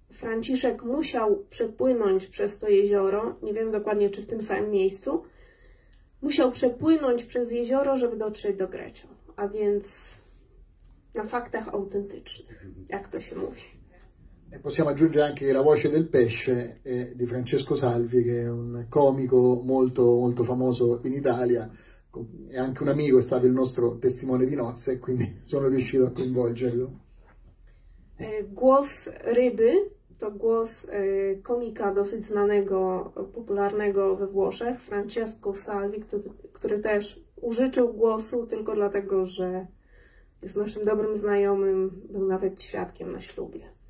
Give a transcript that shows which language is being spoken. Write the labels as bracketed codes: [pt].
[pl] Franciszek musiał przepłynąć przez to jezioro, nie wiem dokładnie czy w tym samym miejscu, musiał przepłynąć przez jezioro, żeby dotrzeć do Greccio, a więc na faktach autentycznych, jak to się mówi. [it] E possiamo aggiungere anche che la voce del pesce è di Francesco Salvi, che è un comico molto molto famoso in Italia, è anche un amico, è stato il nostro testimone di nozze, quindi sono riuscito a coinvolgerlo. [pl] Głos ryby to głos komika dosyć znanego, popularnego we Włoszech, Francesco Salvi, który też użyczył głosu tylko dlatego, że jest naszym dobrym znajomym, był nawet świadkiem na ślubie.